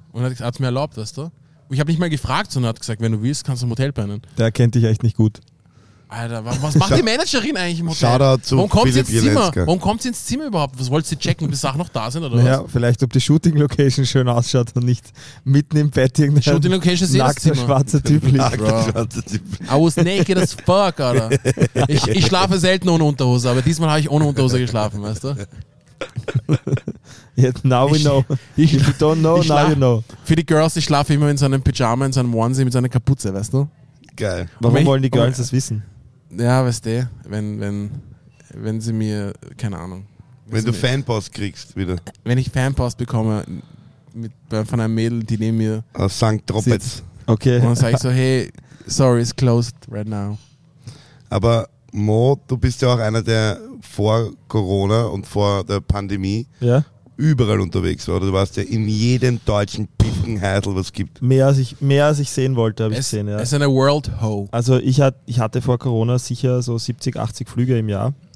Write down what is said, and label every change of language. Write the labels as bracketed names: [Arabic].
[German] Und er hat es mir erlaubt, weißt du? Und ich habe nicht mal gefragt, sondern hat gesagt, wenn du willst, kannst du im Hotel pennen. Der kennt dich echt nicht gut. Alter, was macht die Managerin eigentlich im Hotel? Warum kommt sie ins Zimmer überhaupt? Was wollt sie checken, ob die Sachen noch da sind oder naja, was? Ja, vielleicht, ob die Shooting-Location schön ausschaut und nicht mitten im Bett irgendein Shooting-Location nackter, schwarzer Typ liegt. [English] I was naked as fuck, Alter. [German] Ich schlafe selten ohne Unterhose, aber diesmal habe ich ohne Unterhose geschlafen, weißt du? [English] Yeah, now we know. If you don't know, now you know. [German] Für die Girls, ich schlafe immer in so einem Pyjama, in so einem Onesie mit so einer Kapuze, weißt du? Geil. Warum wollen die Girls das wissen? Ja, weißt du, wenn sie mir, keine Ahnung. Wenn du Fanpost kriegst wieder. Wenn ich Fanpost bekomme von einem Mädel, die neben mir aus St. Tropez. Okay. Und dann sage ich so, [English] hey, sorry, it's closed right now. [German] Aber Mo, du bist ja auch einer, der vor Corona und vor der Pandemie ja überall unterwegs war. Du warst ja in jedem deutschen Pickenhäusl, was es gibt. Mehr als ich sehen wollte, habe ich gesehen. Ja. Es ist eine World Ho. Also ich hatte vor Corona sicher so 70, 80 Flüge im Jahr.